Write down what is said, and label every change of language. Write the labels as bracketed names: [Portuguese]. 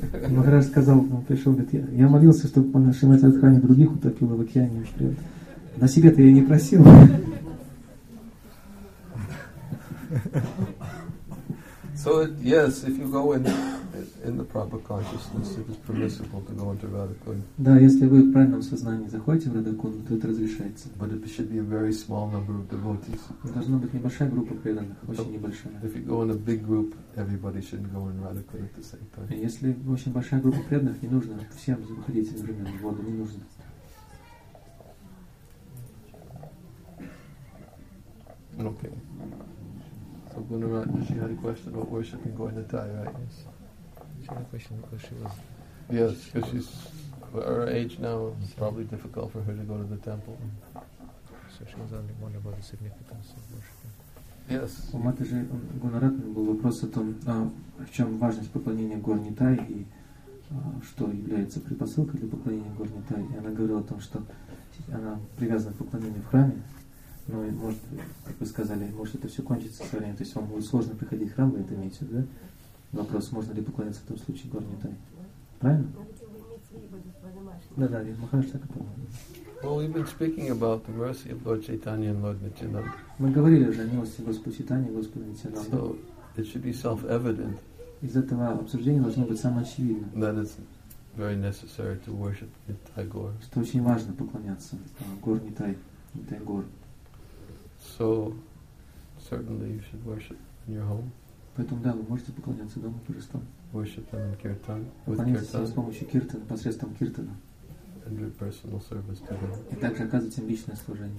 [Russian] Maharaj сказал, он пришел, говорит, я молился, чтобы по нашей мать Радхарани других утопила в океане. Говорит, на себе-то я не просил. [English] So, yes, if you go in the proper consciousness, it is permissible to go into Radha-kunda. [Russian] Да, если вы в правильном сознании заходите в Радха-кунду, то это разрешается. [English] But it should be a very small number of devotees. [Russian] Должна быть небольшая группа преданных, очень небольшая. [English] If you go in a big group, everybody shouldn't go in Radha-kunda at the same time. [Russian] Если очень большая группа преданных, не нужно всем выходить одновременно в воду, не нужно. [English] Okay. So Gunaratna, she had a question about worshipping Gaudatai, right? Yes. She had a question because she was... Yes, because she's her age now, it's probably difficult for her to go to the temple. So she was only wondering about the significance of worshipping. Yes. [Russian] У Матаджи Гунаратны был вопрос о том, в чем важность поклонения Гаудатай и что является предпосылкой для поклонения Гаудатай. И она говорила о том, что она привязана к поклонению в храме, но может, как вы сказали, может это все кончится со временем, то есть вам будет сложно приходить в храм, вы это имеете, да? Вопрос, можно ли поклоняться в том случае Гаудатай? Правильно? Да, Махараш так и понял. [English] Well, we've been speaking about the mercy of Lord Chaitanya and Lord Nityananda. [Russian] Мы говорили уже о милости Господа Чайтаньи и Господа Нитьянанды. [English] So, it should be self-evident. [Russian] Из этого обсуждения должно быть самоочевидно. [English] That it's very necessary to worship Nityananda Gaur. [Russian] Что очень важно поклоняться Гор Нитай, Нитай Гор. [English] So, certainly you should worship in your home. [Russian] Поэтому да, вы можете поклоняться дома Кирстан. [English] Worship them in Kirtan. [Russian] Поклоняться с помощью Киртана, посредством Киртана. [English] And do personal service to them. И также оказывать им личное служение.